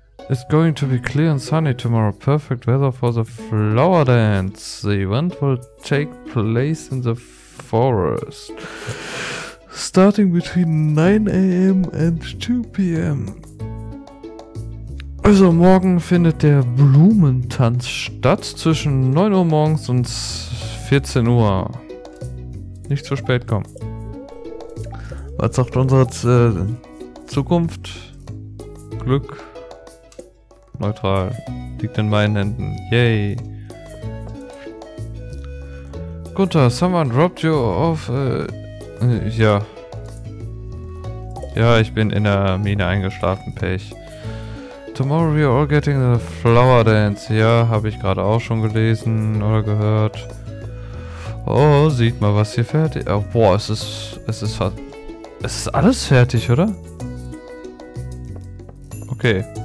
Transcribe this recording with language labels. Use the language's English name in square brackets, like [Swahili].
[English] It's going to be clear and sunny tomorrow. Perfect weather for the flower dance. The event will take place in the forest. Starting between 9 AM and 2 PM. [German] Also morgen findet der Blumentanz statt zwischen 9 Uhr morgens und 14 Uhr. Nicht zu spät kommen. Was sagt unsere Zukunft? Glück? Neutral. Liegt in meinen Händen. Yay! [English] Gunther, someone dropped you off. [German] Ja. Ja, ich bin in der Mine eingeschlafen, Pech. [English] Tomorrow we are all getting the flower dance. [German] Ja, habe ich gerade auch schon gelesen oder gehört. Oh, sieht mal, was hier fertig ist. Oh, boah, es ist alles fertig, oder? [English] Okay.